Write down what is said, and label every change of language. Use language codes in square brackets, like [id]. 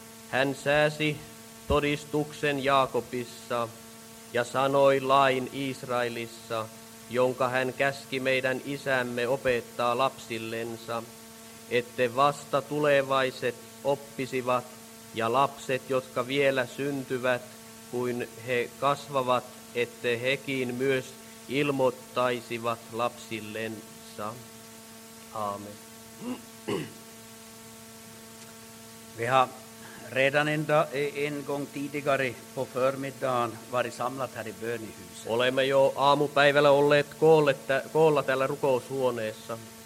[fi] Hän sääsi todistuksen Jaakobissa ja sanoi lain Israelissa, jonka hän käski meidän isämme opettaa lapsillensa, että vasta tulevaiset oppisivat ja lapset, jotka vielä syntyvät, kuin he kasvavat, että hekin myös ilmoittaisivat lapsillensa. Aamen. [sv] Vi har redan en gång tidigare på förmiddagen varit samlat här i bönehuset. [fi] Olemme jo aamupäivällä olleet koolla täällä rukoushuoneessa.